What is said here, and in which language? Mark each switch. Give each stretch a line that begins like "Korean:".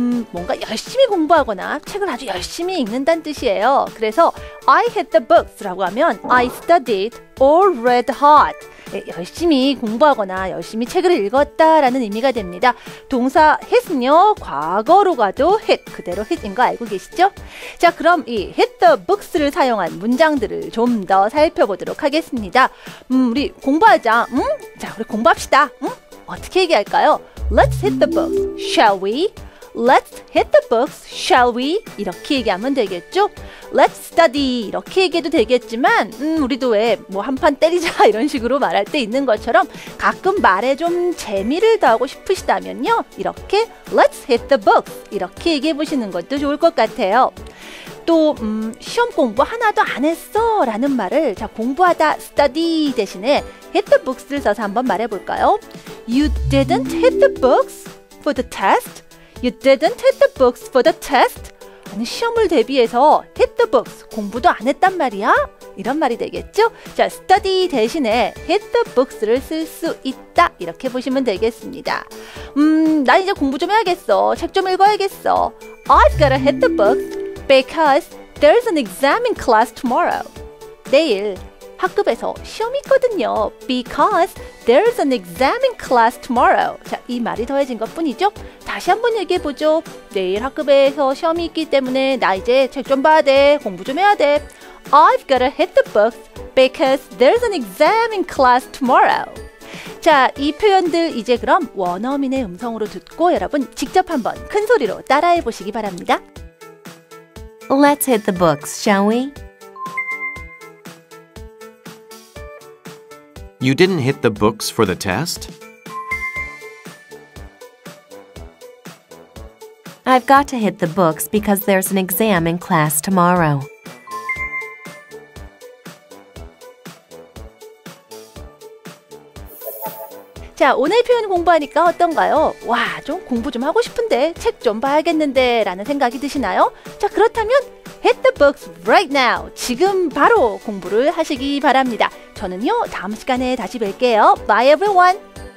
Korean: 뭔가 열심히 공부하거나 책을 아주 열심히 읽는다는 뜻이에요. 그래서
English: I hit the books라고
Korean: 하면
English: I studied or read hard.
Korean: 예, 열심히 공부하거나 열심히 책을 읽었다라는 의미가 됩니다. 동사 hit은요. 과거로 가도 hit, 그대로 hit인 거 알고 계시죠? 자, 그럼 이 hit the books를 사용한 문장들을 좀 더 살펴보도록 하겠습니다. 우리 공부하자. 자, 우리 공부합시다. 어떻게 얘기할까요?
English: Let's hit the books, shall we? Let's hit the books, shall we?
Korean: 이렇게 얘기하면 되겠죠?
English: Let's study
Korean: 이렇게 얘기해도 되겠지만 우리도 왜 뭐 한 판 때리자 이런 식으로 말할 때 있는 것처럼 가끔 말에 좀 재미를 더하고 싶으시다면요 이렇게
English: Let's hit the books
Korean: 이렇게 얘기해 보시는 것도 좋을 것 같아요. 또 시험 공부 하나도 안 했어 라는 말을 자 공부하다 study 대신에 hit the books를 써서 한번 말해볼까요?
English: You didn't hit the books for the test? You didn't hit the books for the test?
Korean: 아니, 시험을 대비해서 hit the books, 공부도 안 했단 말이야? 이런 말이 되겠죠? 자, study 대신에 hit the books를 쓸 수 있다. 이렇게 보시면 되겠습니다. 나 이제 공부 좀 해야겠어. 책 좀 읽어야겠어.
English: I've got to hit the books because there's an exam in class tomorrow.
Korean: 내일 학급에서 시험이 있거든요.
English: Because there's an exam in class tomorrow.
Korean: 자, 이 말이 더해진 것뿐이죠? 다시 한번 얘기해보죠. 내일 학급에서 시험이 있기 때문에 나 이제 책 좀 봐야 돼. 공부 좀 해야 돼.
English: I've got to hit the books because there's an exam in class tomorrow.
Korean: 자, 이 표현들 이제 그럼 원어민의 음성으로 듣고 여러분 직접 한번 큰 소리로 따라해보시기 바랍니다.
English: Let's hit the books, shall we? You didn't hit the books for the test? I've got to hit the books because there's an exam in class tomorrow.
Korean: (목소리) 자, 오늘 표현 공부하니까 어떤가요? 와, 좀 공부 좀 하고 싶은데, 책 좀 봐야겠는데 라는 생각이 드시나요? 자, 그렇다면
English: Hit the books right now!
Korean: 지금 바로 공부를 하시기 바랍니다. 저는요, 다음 시간에 다시 뵐게요.
English: Bye everyone!